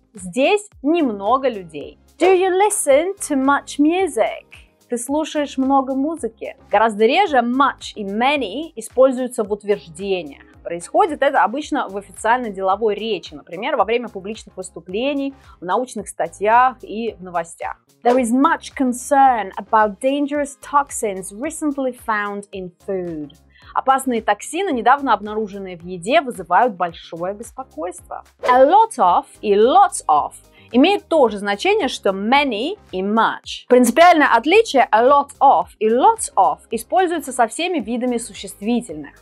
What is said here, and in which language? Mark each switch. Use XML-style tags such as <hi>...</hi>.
<ru>Здесь немного людей.</ru> <en>Do you listen to much music?</en> <ru>Ты слушаешь много музыки. Гораздо реже much и many используются в утверждениях. Происходит это обычно в официально-деловой речи, например, во время публичных выступлений, в научных статьях и в новостях.</ru> <en>There is much concern about dangerous toxins recently found in food.</en> <ru>Опасные токсины, недавно обнаруженные в еде, вызывают большое беспокойство. A lot of и lots of имеют то же значение, что many и much. Принципиальное отличие a lot of и lots of используется со всеми видами существительных.</ru>